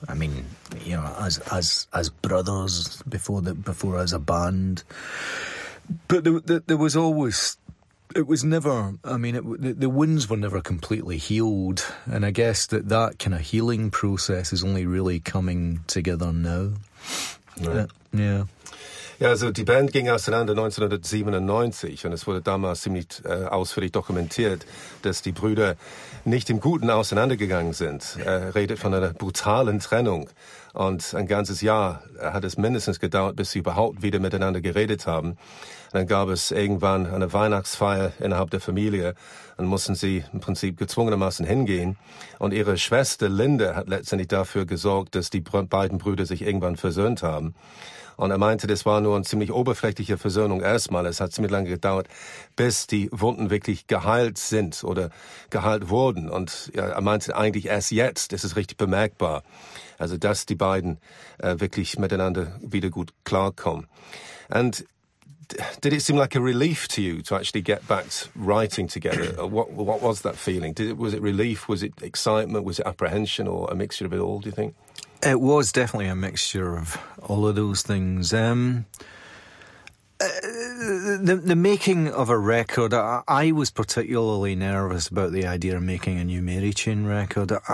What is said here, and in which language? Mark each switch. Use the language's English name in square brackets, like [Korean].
[English] I mean, you know, as brothers before as a band. But there was always... It was never, I mean, the wounds were never completely healed. And I guess that kind of healing process is only really coming together now. Right. Yeah. [German] Ja, also die Band ging auseinander 1997 und es wurde damals ziemlich ausführlich dokumentiert, dass die Brüder nicht im Guten auseinandergegangen sind. Er redet von einer brutalen Trennung und ein ganzes Jahr hat es mindestens gedauert, bis sie überhaupt wieder miteinander geredet haben. Und dann gab es irgendwann eine Weihnachtsfeier innerhalb der Familie und mussten sie im Prinzip gezwungenermaßen hingehen. Und ihre Schwester Linda hat letztendlich dafür gesorgt, dass die beiden Brüder sich irgendwann versöhnt haben. Und er meinte, das war nur eine ziemlich oberflächliche Versöhnung erstmal. Es hat ziemlich lange gedauert, bis die Wunden wirklich geheilt sind oder geheilt wurden. Und ja, er meinte eigentlich erst jetzt, das ist richtig bemerkbar. Also, dass die beiden wirklich miteinander wieder gut klarkommen. [English] And did it seem like a relief to you to actually get back writing together? What was that feeling? Was it relief? Was it excitement? Was it apprehension or a mixture of it all, do you think? It was definitely a mixture of all of those things. The making of a record, I was particularly nervous about the idea of making a new Mary Chain record.